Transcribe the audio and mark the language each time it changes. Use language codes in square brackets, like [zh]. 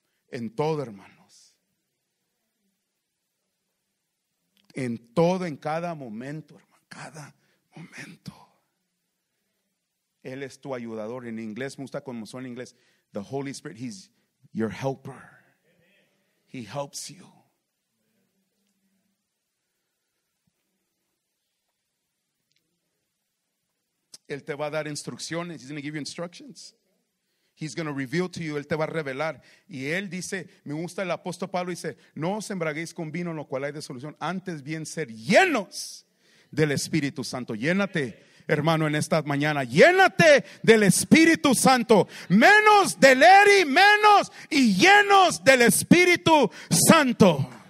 [es] En todo, hermano. En todo, en cada momento, hermano, cada momento. Él es tu ayudador. En inglés, me gusta como suena en inglés. [en] The Holy Spirit, he's your helper. He helps you. [es] Él te va a dar instrucciones. [en] He's going to give you instructions. He's going to reveal to you. [es] Él te va a revelar. Y él dice, me gusta el apóstol Pablo, dice, no os embraguéis con vino, en lo cual hay disolución. Antes bien ser llenos del Espíritu Santo. Llénate, hermano, en esta mañana. Llénate del Espíritu Santo. Menos del Eri, menos y llenos del Espíritu Santo.